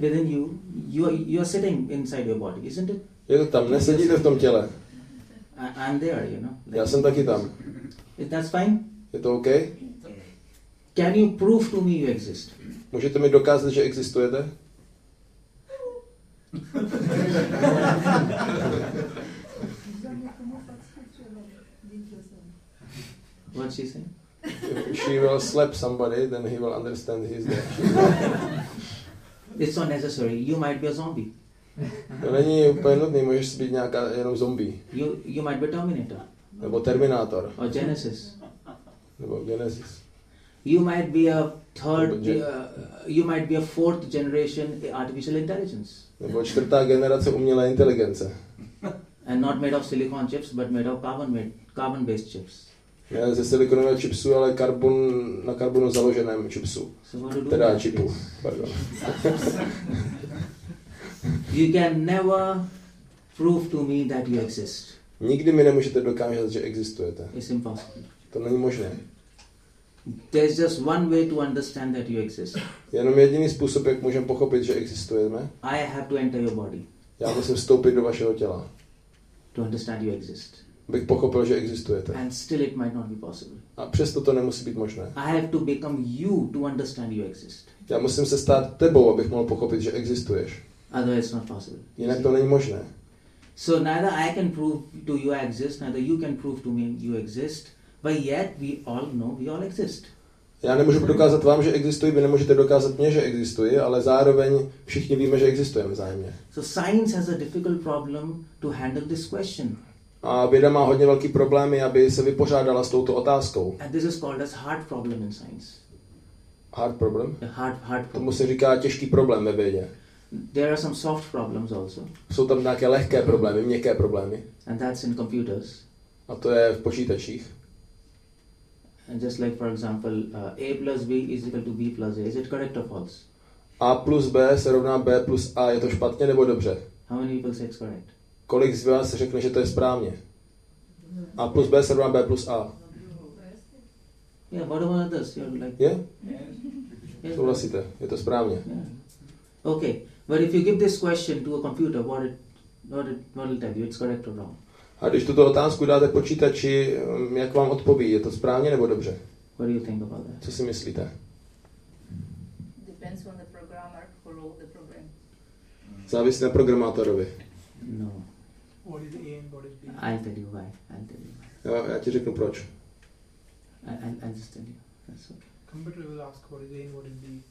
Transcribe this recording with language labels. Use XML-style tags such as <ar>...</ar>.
<en>Within you, you're sitting inside your body, isn't it?</en> <cs>Je to tam, nesedíte v tom těle.</cs> <en>I'm there, you know.</en> <cs>Like, já jsem taky tam.</cs> <en>That's fine?</en> <cs>Je to OK?</cs> <en>Can you prove to me you exist?</en> <cs>Můžete mi dokázat, že existujete?</cs> <en>What's she saying? If she will slap somebody, then he will understand he's there. It's not necessary. You might be a zombie.</en> <cs>To není úplně nutné, můžeš být nějaká jenom zombie.</cs> <en>You might be Terminator.</en> <cs>Nebo Terminator.</cs> <en>Or Genesis.</en> <cs>Nebo Genesis.</cs> <en>You might be a third. You might be a fourth generation artificial intelligence.</en> <cs>Nebo čtvrtá generace umělé inteligence.</cs> <en>And not made of silicon chips, but made of carbon-based chips.</en> <cs>Ne ze silikonového chipsu, ale karbon, na karbonu založeném chipsu. Teda čipu, pardon.</cs> <en>You can never prove to me that you exist.</en> <cs>Nikdy mi nemůžete dokázat, že existujete.</cs> <en>It's impossible.</en> <cs>To není možné.</cs> <en>There's just one way to understand that you exist.</en> <cs>Jenom jediný způsob, jak můžeme pochopit, že existujeme.</cs> <en>I have to enter your body.</en> <cs>Já musím vstoupit do vašeho těla.</cs> <en>To understand you exist.</en> <cs>Bych pochopil, že existujete.</cs> <en>And still it might not be possible.</en> <cs>A přesto to nemusí být možné.</cs> <en>I have to become you to understand you exist.</en> <cs>Já musím se stát tebou, abych mohl pochopit, že existuješ.</cs> <en>Otherwise it's not possible.</en> <cs>Jinak to není možné.</cs> <en>So neither I can prove to you I exist, neither you can prove to me you exist, but yet we all know we all exist.</en> <cs>Já nemůžu dokázat vám, že existuji, vy nemůžete dokázat mě, že existuji, ale zároveň všichni víme, že existujeme vzájemně.</cs> <en>So science has a difficult problem to handle this question.</en> <cs>A věda má hodně velký problémy, aby se vypořádala s touto otázkou.</cs> <en>And this is called as hard problem in science. Hard problem? Hard problem.</en> <cs>Tomu se říká těžký problém ve vědě.</cs> <en>There are some soft problems also.</en> <cs>Jsou tam nějaké lehké problémy, měkké problémy.</cs> <en>And that's in computers.</en> <cs>A to je v počítačích.</cs> <en>And just like for example, A plus B is equal to B plus A. Is it correct or false?</en> <cs>A plus B se rovná B plus A. Je to špatně nebo dobře?</cs> <en>How many people say it's correct?</en> <cs>Kolik z vás řekne, že to je správně? A plus B se rovná B plus A.</cs> <en>Yeah, what about others? You're like... Yeah?</en> <cs>Souhlasíte, je to správně. Yeah.</cs> <en>Okay, but if you give this question to a computer, what will tell you, it's correct or wrong?</en> <cs>A když tuto otázku dáte počítači, jak vám odpoví, je to správně nebo dobře?</cs> <en>What do you think about that?</en> <cs>Co si myslíte?</cs> <en>Depends on the programmer who wrote the program.</en> <cs>Závisí na programátorovi.</cs> <en>No. What is A and what is B? I'll tell you why.</en> <cs>Jo, já ti řeknu proč.</cs> <en>I'll just tell you. That's okay. Computer will ask what is A and what is B.</en>